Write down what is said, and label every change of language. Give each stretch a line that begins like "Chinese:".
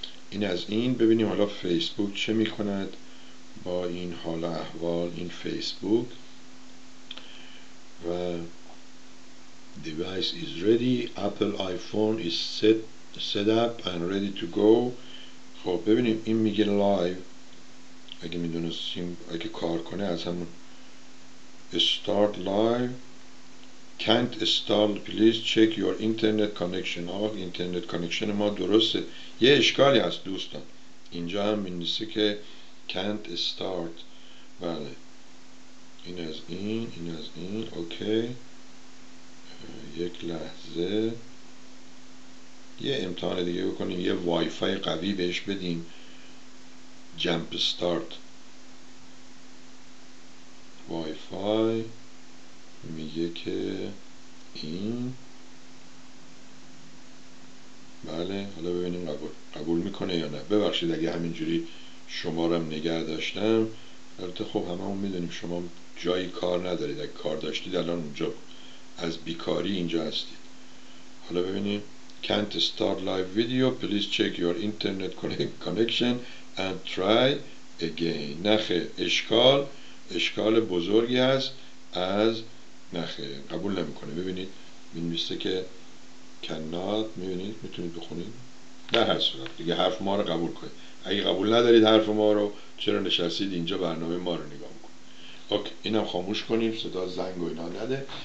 Persian: این از این. ببینیم حالا فیسبوک چه می کند با این حال احوال، این فیسبوک.
English: و device is ready, Apple iPhone is set up and ready to go.
Persian: خب ببینیم این میگه لایو، اگه می دونستیم اگه کار کنه از همون start live.
English: Can't install, please check your internet connection.
Persian: آقا اینترنت کانکشن ما درسته. یه اشکالی هست دوستان، اینجا هم می‌نویسه که
English: can't start.
Persian: بله، این از این، این از این. اوکی یک لحظه یه امتحان دیگه بکنیم، یه وای فای قوی بهش بدیم. jump start وای فای میگه که این. بله حالا ببینیم قبول میکنه یا نه. ببخشید اگه همینجوری شمارم نگه داشتم. البته خب همه هم میدونیم شما جایی کار ندارید، اگه کار داشتید الان اونجا از بیکاری اینجا هستید. حالا ببینیم
English: can't start live video, please check your internet connection and try again.
Persian: نخه اشکال، اشکال بزرگی هست از نخه، قبول نمیکنه. ببینید می‌نویسه که cannot. می‌بینید میتونید بخونید در هر صورت دیگه حرف ما رو قبول کنید. اگه قبول ندارید حرف ما رو، چرا نشستید اینجا برنامه ما رو نگاه می‌کنید؟ اوکی اینم خاموش کنیم، صدا زنگ و اینا نده.